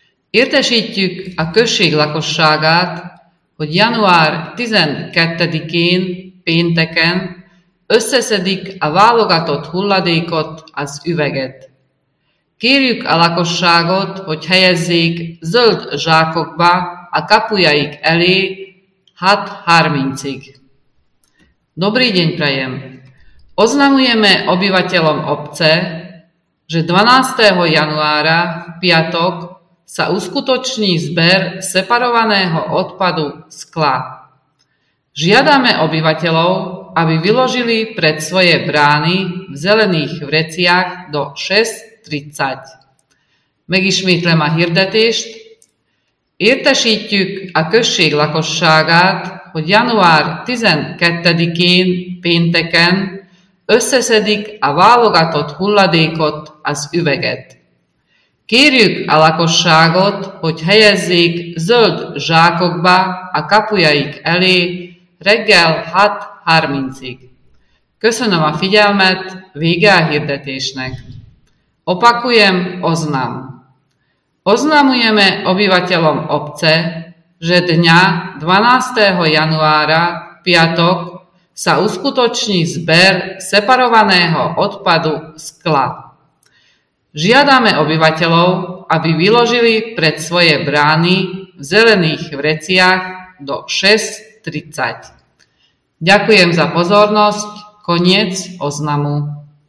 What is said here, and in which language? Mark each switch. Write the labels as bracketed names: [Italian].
[Hungarian] Értesítjük a község lakosságát, hogy január 12-én, pénteken összeszedik a válogatott hulladékot, az üveget. Kérjük a lakosságot, hogy helyezzék zöld zsákokba a kapujaik elé 6:30-ig. [Slovak] Dobrý deň prajem! Oznamujeme obyvateľom obce, že 12. januára, piatok, sa uskutoční zber separovaného odpadu skla. Žiadame obyvateľov, aby vyložili pred svoje brány v zelených vreciach do 6:30. [Hungarian] Megismétlem a hirdetést. Értesítjük a község lakosságát, hogy január 12-én, pénteken, összeszedik a válogatott hulladékot, az üveget. Kérjük a lakosságot, hogy helyezzék zöld zsákokba a kapujaik elé reggel 6:30-ig. Köszönöm a figyelmet, vége a hirdetésnek. [Slovak] Opakujem oznam. Oznamujeme obyvateľom obce, že dňa 12. januára, piatok, sa uskutoční zber separovaného odpadu skla. Žiadame obyvateľov, aby vyložili pred svoje brány v zelených vreciach do 6:30. Ďakujem za pozornosť. Koniec oznamu.